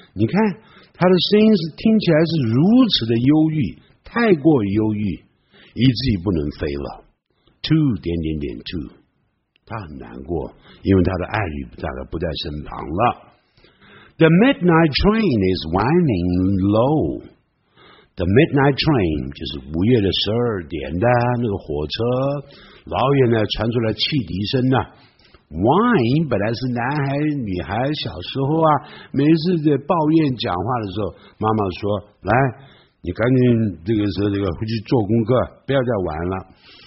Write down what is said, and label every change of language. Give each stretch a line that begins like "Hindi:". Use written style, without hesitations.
Chinese: 你看他的声音是听起来是如此的忧郁，太过忧郁，以至于不能飞了。 too 他很难过，因为他的爱侣大概不在身旁了。
English: The midnight train is winding low. The midnight train
Chinese: 就是午夜的12点的那个火车，老远呢传出来汽笛声呢。 Wine 本来是男孩女孩小时候啊，没事在抱怨讲话的时候，妈妈说：“来，你赶紧这个时候这个回去做功课，不要再玩了。”